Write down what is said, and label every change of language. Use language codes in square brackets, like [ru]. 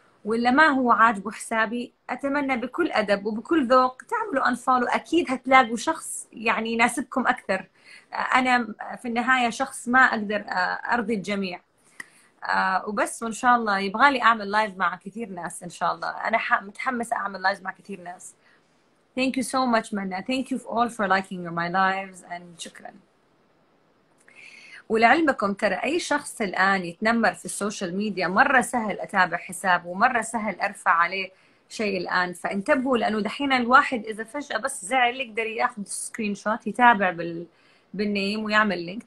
[ar] ولا ما هو عاجبه حسابي، أتمنى بكل أدب وبكل ذوق تعملوا أنفولو، أكيد هتلاقوا شخص يعني يناسبكم أكثر. أنا في النهاية شخص ما أقدر أرضي الجميع، وبس. وإن شاء الله يبغالي أعمل لايف مع كثير ناس، إن شاء الله أنا متحمسة أعمل لايف مع كثير ناس. [en] Thank you so much منى. Thank you all for liking my lives and شكرا. [ar] ولعلمكم ترى أي شخص الآن يتنمر في السوشيال ميديا مرة سهل أتابع حسابه، ومرة سهل أرفع عليه شيء الآن، فانتبهوا، لأنه دحين الواحد إذا فجأة بس زعل يقدر يأخذ سكرين شوت يتابع بالنيم ويعمل لينك.